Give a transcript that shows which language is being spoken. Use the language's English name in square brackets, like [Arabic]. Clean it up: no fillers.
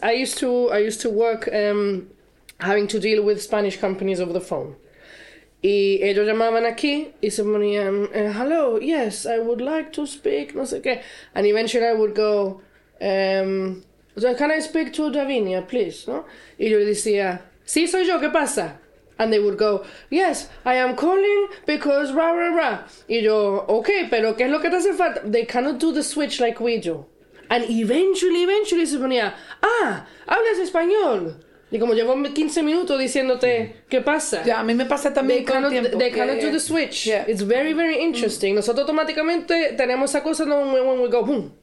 [English] I used to work having to deal with Spanish companies over the phone. [Spanish] Y ellos llamaban aquí y se ponían, [English] hello, yes, I would like to speak, [Spanish] no sé qué. [English] And eventually I would go, can I speak to Davinia, please? No? [Spanish] Y yo decía, sí, soy yo, ¿qué pasa? [English] And they would go, yes, I am calling because rah, rah, rah. [Spanish] Y yo, okay, pero ¿qué es lo que te hace falta? [English] They cannot do the switch like we do. And eventually [Spanish] se ponía, ah, hablas español. Y como llevo 15 minutos diciéndote, ¿qué pasa? Ya, a mí me pasa también con el tiempo. [English] They cannot do the switch. Yeah. It's very, very interesting. Mm. [Spanish] Nosotros automáticamente tenemos esa cosa, ¿no? [English] When we go, boom.